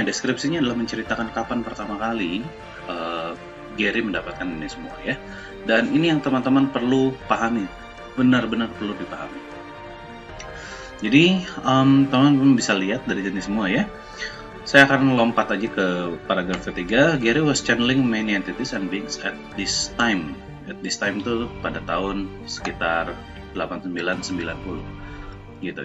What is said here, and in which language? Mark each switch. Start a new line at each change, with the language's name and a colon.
Indonesian: Deskripsinya adalah menceritakan kapan pertama kali Gary mendapatkan ini semua ya. Dan ini yang teman-teman perlu pahami, benar-benar perlu dipahami. Jadi teman-teman bisa lihat dari sini semua ya. Saya akan lompat aja ke paragraf ketiga.
English: Gary was channeling many entities and beings at this time. At this time
Indonesian: itu pada tahun sekitar 89-90. Gitu.